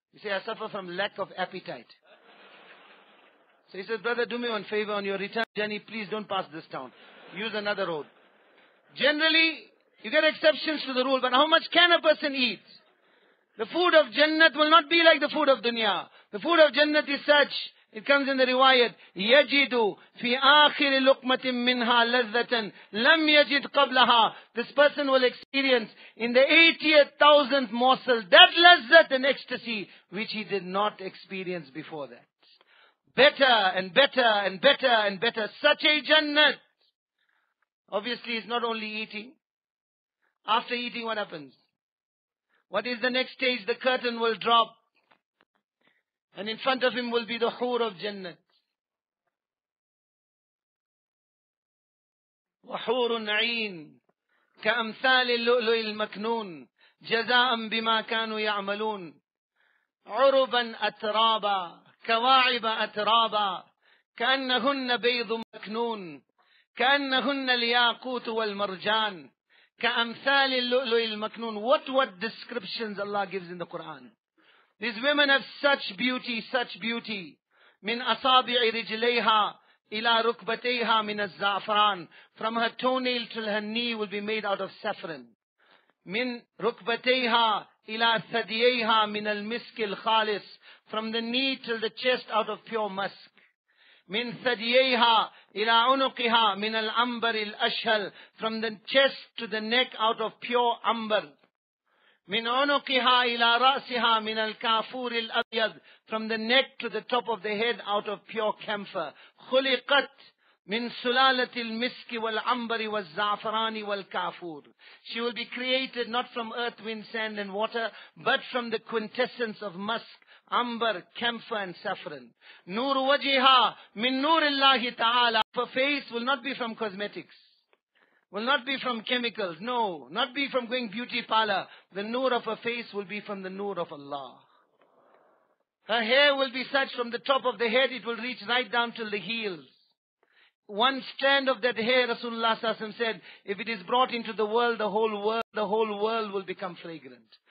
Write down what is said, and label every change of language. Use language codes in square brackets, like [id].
[en] He said, I suffer from lack of appetite. So he said, brother, do me one favor. On your return journey, please don't pass this town. Use another road. Generally, you get exceptions to the rule. But how much can a person eat? The food of Jannat will not be like the food of dunya. The food of Jannat is such. It comes in the riwayat, [ar] يَجِدُ فِي آخِرِ لُقْمَةٍ مِّنْهَا لَذَّةً لَمْ يَجِدْ قَبْلَهَا. [en] This person will experience in the 80,000th morsel that lazzat and ecstasy which he did not experience before that. Better and better and better and better. Such a jannat. Obviously, it's not only eating. After eating, what happens? What is the next stage? The curtain will drop. And in front of him will be the Hoor of Jannat. [ar] وَحُورٌ عِينٌ كَأَمْثَالِ اللُّؤْلُؤِ الْمَكْنُونَ جَزَاءً بِمَا كَانُوا يَعْمَلُونَ. عربا أترابا، كواعب أترابا، كأنهن بيض مكنون، كأنهن الياقوت والمرجان، كأمثال اللؤلؤ المكنون. [en] What descriptions Allah gives in the Quran. These women have such beauty, such beauty. [ar] من أصابع رجليها إلى ركبتيها من الزعفران. [en] From her toenail till her knee will be made out of saffron. [ar] من ركبتيها إلى ثدييها من المسك الخالص. [en] From the knee till the chest out of pure musk. [ar] من ثدييها إلى عنقها من الأمبر الأشهل. [en] From the chest to the neck out of pure amber. [ar] من عنقها إلى رأسها من الكافور الأبيض. [en] From the neck to the top of the head out of pure camphor. [ar] خلقت من سلالة المسك والعنبر والزعفران والكافور. [en] She will be created not from earth, wind, sand and water, but from the quintessence of musk, amber, camphor and saffron. [ar] نور وجهها من نور الله تعالى. [en] Her face will not be from cosmetics. Will not be from chemicals. No. Not be from going beauty parlor. The noor of her face will be from the noor of Allah. Her hair will be such from the top of the head it will reach right down till the heels. One strand of that hair, Rasulullah said, if it is brought into the world, the whole world will become fragrant.